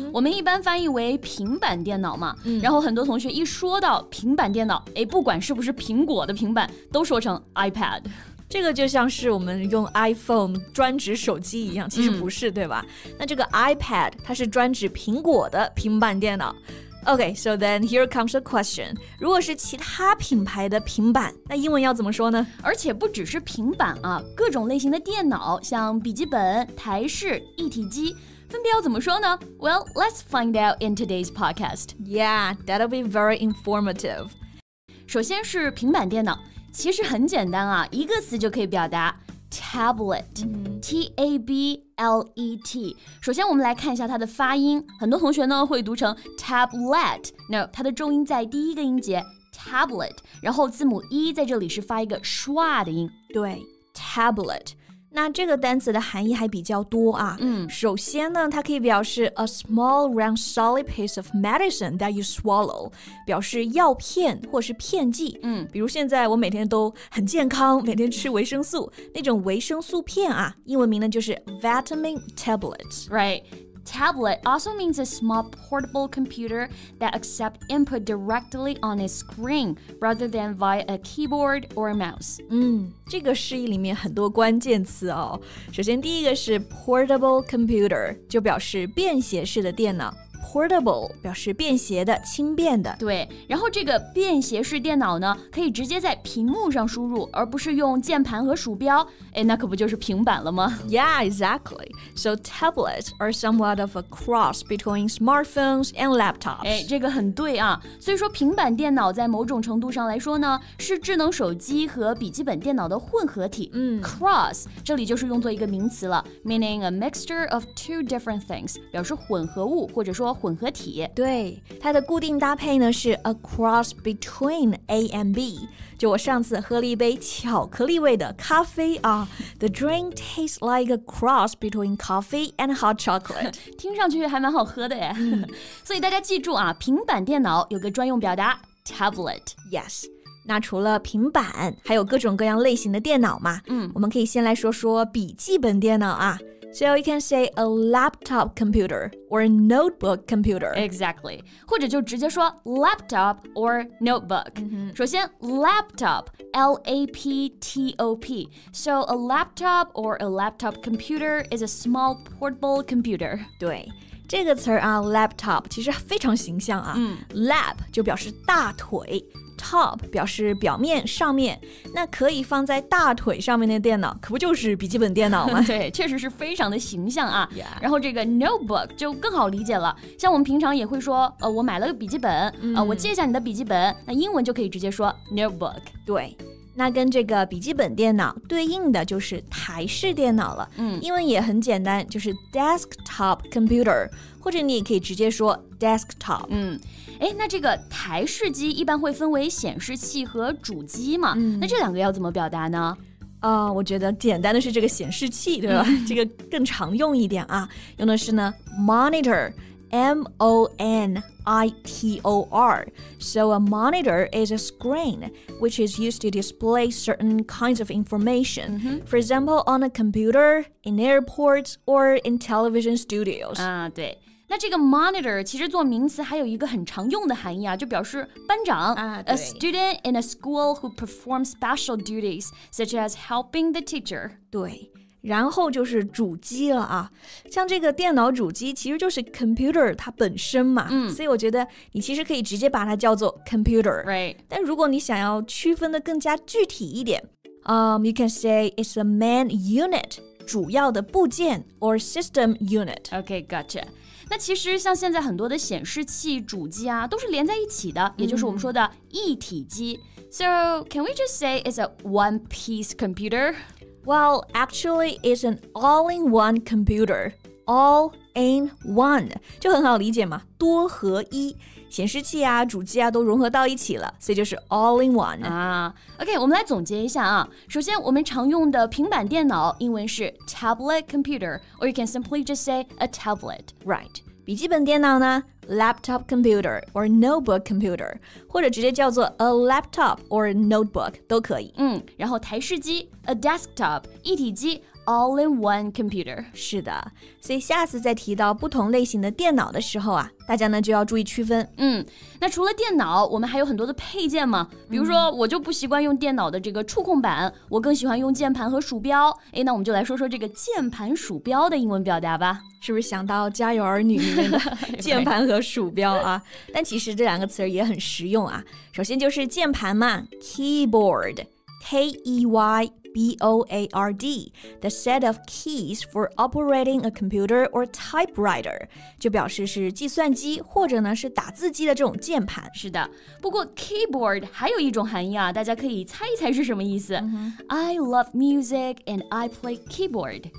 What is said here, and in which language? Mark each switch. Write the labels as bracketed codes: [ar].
[zh] 我们一般翻译为平板电脑嘛，然后很多同学一说到平板电脑，不管是不是苹果的平板，都说成 iPad。这个就像是我们用 iPhone 专指手机一样，其实不是，对吧？那这个 iPad 它是专指苹果的平板电脑。 [en] OK, so then here comes a question. [zh] 如果是其他品牌的平板，那英文要怎么说呢？而且不只是平板啊，各种类型的电脑，像笔记本、台式、一体机，分别要怎么说呢？ [en] Well, let's find out in today's podcast. Yeah, that'll be very informative. [zh] 首先是平板电脑。其实很简单啊，一个词就可以表达 tablet,、T-A-B-L-E-T。首先我们来看一下它的发音，很多同学呢会读成 tablet。 No, 它的重音在第一个音节 tablet, 然后字母 E 在这里是发一个 schwa 的音。对 ,tablet。那这个单词的含义还比较多啊。首先呢它可以表示 [en] a small round solid piece of medicine that you swallow, [zh] 表示药片或是片剂。比如现在我每天都很健康，每天吃维生素，那种维生素片啊，英文名呢就是 vitamin tablets。 [en] Right. Tablet also means a small portable computer that accepts input directly on a screen rather than via a keyboard or a mouse. [zh] 这个释义里面很多关键词哦。首先第一个是 portable computer, 就表示便携式的电脑。 Portable 表示便携的、轻便的。对，然后这个便携式电脑呢，可以直接在屏幕上输入，而不是用键盘和鼠标。那可不就是平板了吗？ [en] Yeah, exactly. So tablets are somewhat of a cross between smartphones and laptops. [zh] 这个很对啊。所以说平板电脑在某种程度上来说呢，是智能手机和笔记本电脑的混合体。 Cross, 这里就是用作一个名词了， [en] meaning a mixture of two different things, [zh] 表示混合物或者说混合体。对，它的固定搭配呢是 a cross between A and B。就我上次喝了一杯巧克力味的咖啡啊， [en] the drink tastes like a cross between coffee and hot chocolate。 [zh] 听上去还蛮好喝的耶。所以大家记住啊，平板电脑有个专用表达 tablet。 [en] Yes。 [zh] 那除了平板还有各种各样类型的电脑嘛，我们可以先来说说笔记本电脑啊。 [en] So you can say a laptop computer or a notebook computer. Exactly. [zh] 或者就直接说 laptop or notebook. 首先 laptop, L-A-P-T-O-P. [en] So a laptop or a laptop computer is a small portable computer. [zh] 对，这个词啊 laptop 其实非常形象啊。 Lap 就表示大腿。Top 表示表面上面，那可以放在大腿上面的电脑可不就是笔记本电脑吗？对，确实是非常的形象啊。 [en] Yeah. [zh] 然后这个 notebook 就更好理解了，像我们平常也会说我买了个笔记本，我借一下你的笔记本，那英文就可以直接说 notebook。对，那跟这个笔记本电脑对应的就是台式电脑了。英文也很简单，就是 desktop computer, 或者你也可以直接说 desktop。那这个台式机一般会分为显示器和主机嘛，那这两个要怎么表达呢？我觉得简单的是这个显示器，对吧？这个更常用一点啊，用的是呢 monitor。 [en] M-O-N-I-T-O-R. So a monitor is a screen which is used to display certain kinds of information. For example, on a computer, in airports, or in television studios. [zh] 对，那这个 monitor 其实做名词还有一个很常用的含义啊，就表示班长。 [en] A student in a school who performs special duties such as helping the teacher. [zh] 对，然后就是主机了啊。像这个电脑主机其实就是 computer 它本身嘛、嗯、所以我觉得你其实可以直接把它叫做 computer、 [en] right. [zh] 但如果你想要区分的更加具体一点、 [en] you can say it's a main unit [zh] 主要的部件 [en] or system unit. Okay, gotcha. [zh] 那其实像现在很多的显示器主机啊都是连在一起的、 mm-hmm. 也就是我们说的一体机。 [en] So, can we just say it's a one-piece computer? Well, actually, it's an all-in-one computer. [zh] All-in-one. 就很好理解嘛。多合一。显示器啊主机啊都融合到一起了所以就是 all in one、 [en] OK [zh] 我们来总结一下啊首先我们常用的平板电脑英文是 [en] tablet computer or you can simply just say a tablet Right [zh] 笔记本电脑呢 [en] laptop computer or notebook computer [zh] 或者直接叫做 [en] a laptop or notebook [zh] 都可以 [en] 嗯， [zh] 然后台式机 [en] a desktop [zh] 一体机 [en] All in one computer. [zh] 是的，所以下次再提到不同类型的电脑的时候啊，大家呢就要注意区分。嗯，那除了电脑，我们还有很多的配件嘛。比如说，我就不习惯用电脑的这个触控板，我更喜欢用键盘和鼠标。哎，那我们就来说说这个键盘鼠标的英文表达吧。是不是想到《家有儿女》里面的键盘和鼠标啊？但其实这两个词也很实用啊。首先就是键盘嘛 ，keyboard。 [en] K-E-Y-B-O-A-R-D, the set of keys for operating a computer or typewriter, [zh] 就表示是计算机或者呢是打字机的这种键盘。是的，不过 keyboard 还有一种含义啊，大家可以猜一猜是什么意思。 Mm-hmm. [en] I love music and I play keyboard.